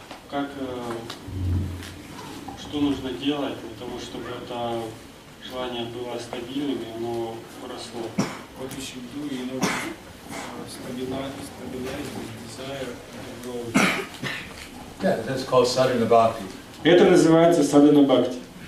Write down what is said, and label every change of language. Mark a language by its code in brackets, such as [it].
[ru] Как что нужно делать для того, чтобы это желание было стабильным и оно росло? [en] What you should do in order to stabilize the desire to grow? Yeah, that's called sadhana bhakti. [ru] Это называется sadhana bhakti.